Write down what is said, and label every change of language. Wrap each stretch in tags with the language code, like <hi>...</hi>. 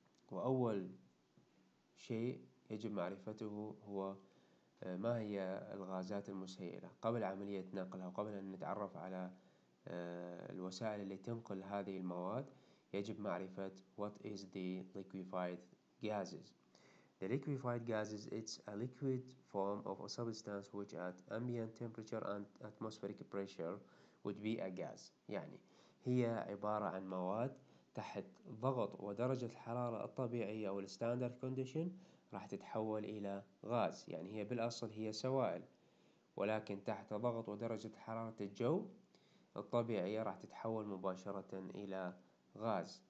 <ar>وأول شيء يجب معرفته هو ما هي الغازات المسيلة قبل عملية نقلها، وقبل أن نتعرف على الوسائل اللي تنقل هذه المواد يجب معرفة</ar> <en>What is the liquefied gases. The liquefied gases, it's a liquid form of a substance which at ambient temperature and atmospheric pressure would be a gas.</en> <ar>يعني هي عبارة عن مواد تحت ضغط ودرجة الحرارة الطبيعية أو الستاندرد كونديشن راح تتحول إلى غاز. يعني هي بالأصل هي سوائل، ولكن تحت ضغط ودرجة حرارة الجو الطبيعية راح تتحول مباشرة إلى غاز.</ar>